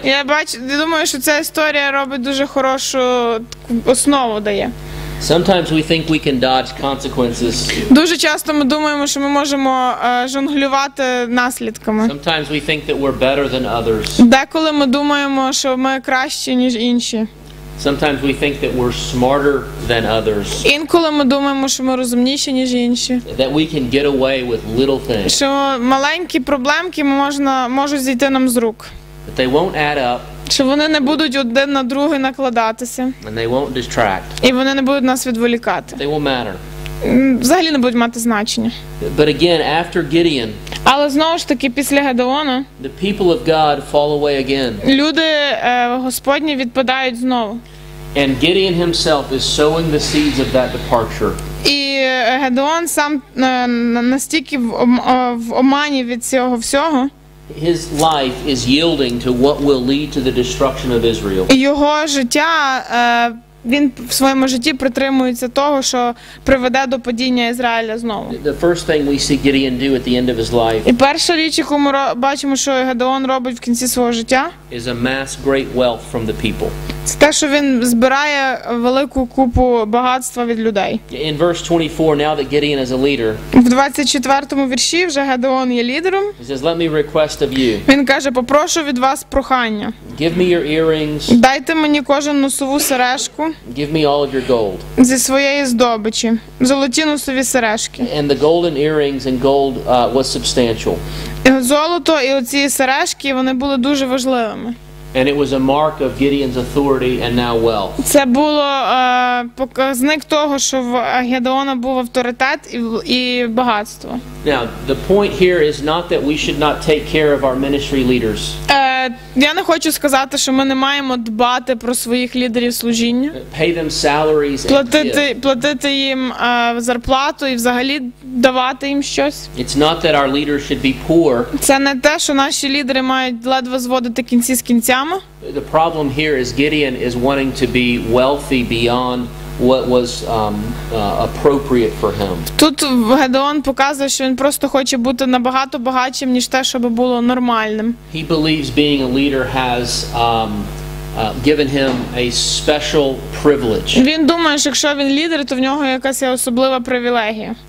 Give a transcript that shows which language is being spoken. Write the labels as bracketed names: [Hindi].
[Ukrainian] Я думаю, що ця історія робить дуже хорошу основу дає. [English] Sometimes we think we can dodge consequences. [Ukrainian] Дуже часто ми думаємо, що ми можемо жонглювати наслідками. [English] Sometimes we think that we're better than others. [Ukrainian] Деколи ми думаємо, що ми кращі, ніж інші. [English] Sometimes we think that we're smarter than others. [Ukrainian] Інколи ми думаємо, що ми розумніші, ніж інші. [English] That we can get away with little things. [Ukrainian] Що маленькі проблемки можуть зійти нам з рук. [English] But they won't add up. [Ukrainian] Що вони не будуть один на другий накладатися. [English] And they won't distract. [Ukrainian] І вони не будуть нас відволікати. [English] They won't matter. [Ukrainian] Взагалі не будуть мати значення. [English] But again, after Gideon, [Ukrainian] але знову ж таки, після Гедеона, [English] the people of God fall away again. [Ukrainian] Люди Господні відпадають знову. [English] And Gideon himself is sowing the seeds of that departure. [Ukrainian] І Гедеон сам настільки в омані від цього всього. [English] His life is yielding to what will lead to the destruction of Israel. [Ukrainian] Його життя, він в своєму житті притримується того, що приведе до падіння Ізраїля знову. [English] The first thing we see Gideon do at the end of his life. [Ukrainian] І перша річ, яку ми бачимо, що Гедеон робить в кінці свого життя, [English] is amass great wealth from the people. [Ukrainian] Це те, що він збирає велику купу багатства від людей. [English] In verse 24, now that Gideon is a leader. [Ukrainian] В 24-му вірші вже Гедеон є лідером. [English] He says, "Let me request of you." [Ukrainian] Він каже: "Попрошу від вас прохання." [English] Give me your earrings. [Ukrainian] Дайте мені кожен носову сережку. [English] Give me all of your gold. [Ukrainian] Зі своєї здобичі, золоті носові сережки. [English] And the golden earrings and gold was substantial. [Ukrainian] Золото і оці сережки, вони були дуже важливими. [English] And it was a mark of Gideon's authority and now wealth. [Ukrainian] Це було показник того, що в Гедеона був авторитет і багатство. [English] Now, the point here is not that we should not take care of our ministry leaders. [Ukrainian] Я не хочу сказати, що ми не маємо дбати про своїх лідерів служіння. [English] Pay them salaries and [Ukrainian] платити їм зарплату і взагалі давати їм щось. [English] It's not that our leaders should be poor. [Ukrainian] Це не те, що наші лідери мають ледве зводити кінці з кінцями. [English] The problem here is Gideon is wanting to be wealthy beyond what was appropriate for him. [Ukrainian] Тут Гедеон показує, що він просто хоче бути набагато багатшим, ніж те, щоб було нормальним. [English] He believes being a leader has given him a special privilege. [Ukrainian] Він думає, що якщо він лідер, то в нього якась особлива привілегія.